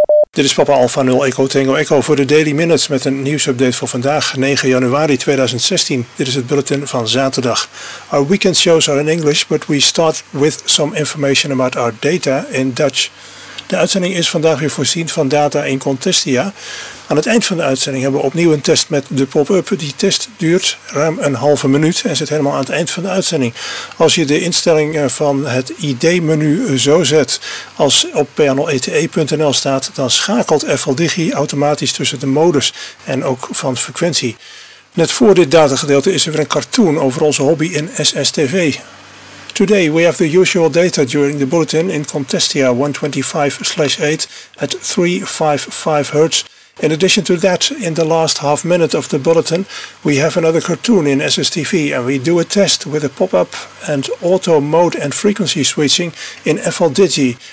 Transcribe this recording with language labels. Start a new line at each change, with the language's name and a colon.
Dutch: Dit is Papa Alpha 0 Echo Tango Echo voor de Daily Minutes met een nieuwsupdate voor vandaag, 9 januari 2016. Dit is het bulletin van zaterdag.
English: Our weekend shows are in English, but we start with some information about our data in Dutch.
Dutch: De uitzending is vandaag weer voorzien van data in Contestia. Aan het eind van de uitzending hebben we opnieuw een test met de pop-up. Die test duurt ruim een halve minuut en zit helemaal aan het eind van de uitzending. Als je de instelling van het ID-menu zo zet als op pnlete.nl staat, dan schakelt FLDigi automatisch tussen de modus en ook van frequentie. Net voor dit datagedeelte is er weer een cartoon over onze hobby in SSTV.
English: Today we have the usual data during the bulletin in Contestia 125/8 at 355 Hz. In addition to that, in the last half minute of the bulletin, we have another cartoon in SSTV and we do a test with a pop-up and auto mode and frequency switching in FLDigi.